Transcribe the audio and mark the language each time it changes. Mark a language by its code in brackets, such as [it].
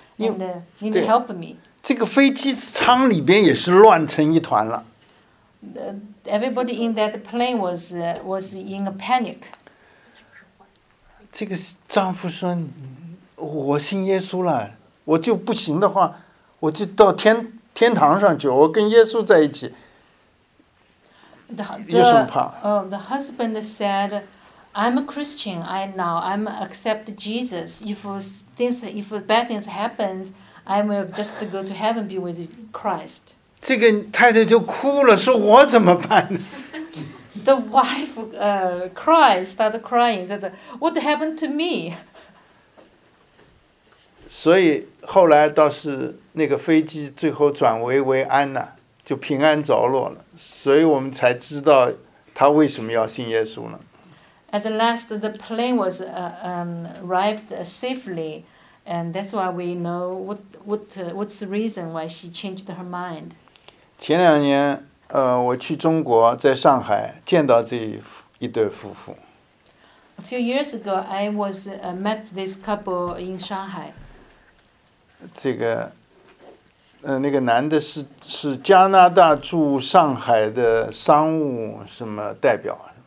[en] And you help me. [zh] 这个飞机舱里边也是乱成一团了。 [en] Everybody in that plane was in a panic. [zh] 这个丈夫说，我信耶稣了，我就不行的话，我就到天堂上去，我跟耶稣在一起。 [en] The husband said, I'm a Christian, I'm accept Jesus. If bad things happen, I will just go to heaven be with Christ. [zh] 这个太太就哭了，说我怎么办呢？ [en] The wife started crying, said, what happened to me? [zh] 所以后来倒是那个飞机最后转危为安了。就平安着落了，所以我们才知道他为什么要信耶稣呢。 [en] At the last, the plane was arrived safely, and that's why we know what's the reason why she changed her mind. [zh] 前两年，我去中国，在上海见到这一对夫妇。 [en] A few years ago, I was met this couple in Shanghai. [zh] 这个。那个男的是加拿大驻上海的商务什么代表。